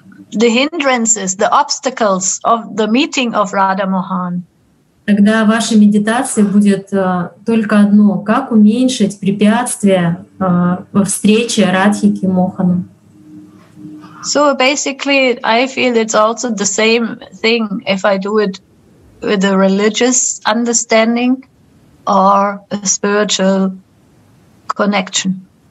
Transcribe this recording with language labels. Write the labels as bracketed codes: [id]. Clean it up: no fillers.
[en] The hindrances, the obstacles of the meeting of Radha Mohan. [ru] Тогда в вашей медитации будет только одно. Как уменьшить препятствия во встрече Радхики и Мохана? [en] So basically, I feel it's also the same thing if I do it with a religious understanding or a spiritual connection.